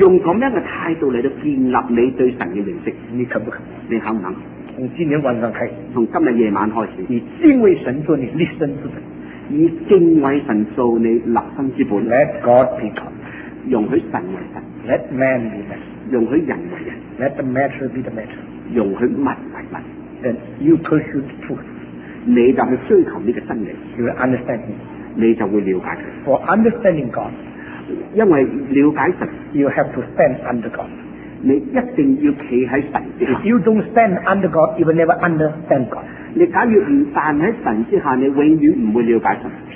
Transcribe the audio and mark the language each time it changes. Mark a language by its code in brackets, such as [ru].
[zh] 用这样的态度来建立你对神的认识，你肯不肯？你肯不肯？从今天晚上开始，从今天夜晚开始，以敬畏神做你立身之本，以敬畏神做你立身之本。 [en] Let God be God， [zh] 容许神为神 [en] ；Let man be man， [zh] 容许人为人 [en] ；Let the matter be the matter， [zh] 容许物为物。 [en] Then you pursue the truth， [zh] 你就去追求这个真理。 [en] You will understand me， [zh] 你就会了解他。 [en] For understanding God。 [zh] 因为了解神 [en] You have to stand under God [zh] 你一定要站在神之下 [en] If you don't stand under God You will never understand God [zh] 你假如不站在神之下你永远不会了解神